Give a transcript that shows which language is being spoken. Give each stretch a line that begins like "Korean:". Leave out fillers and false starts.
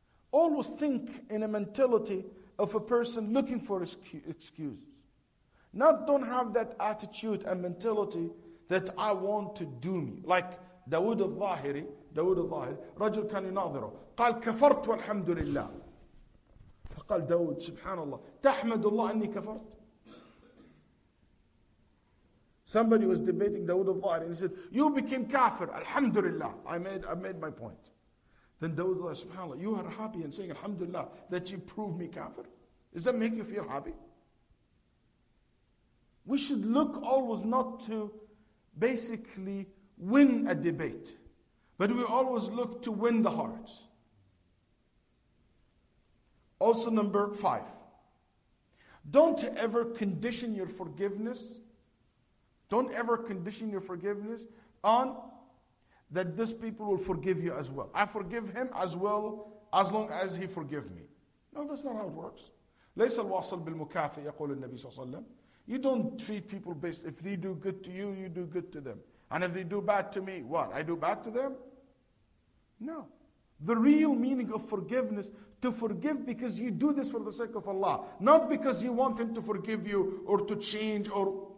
English: Always think in a mentality of a person looking for excuses. Not don't have that attitude and mentality that I want to doom you. Like Dawood al-Zahiri,
Arabic: رجل كان يناظره. قال كفرت والحمد لله. فقال داود سبحان الله تحمد الله أني كفرت.
English: Somebody was debating Dawood al-Zahiri and he said, you became kafir, alhamdulillah. I made my point. Then Dawood al-Zahiri, subhanAllah, you are happy and saying alhamdulillah that you proved me kafir. Does that make you feel happy? We should look always not to basically win a debate, but we always look to win the heart. Also number 5. Don't ever condition your forgiveness. Don't ever condition your forgiveness on that this people will forgive you as well. I forgive him as well as long as he forgive me. No, that's not how it works.
Arabic: ليس الواصل بالمكافئ يقول النبي صلى الله عليه وسلم.
English: You don't treat people based, if they do good to you, you do good to them. And if they do bad to me, what? I do bad to them? No. The real meaning of forgiveness, to forgive because you do this for the sake of Allah. Not because you want him to forgive you or to change or...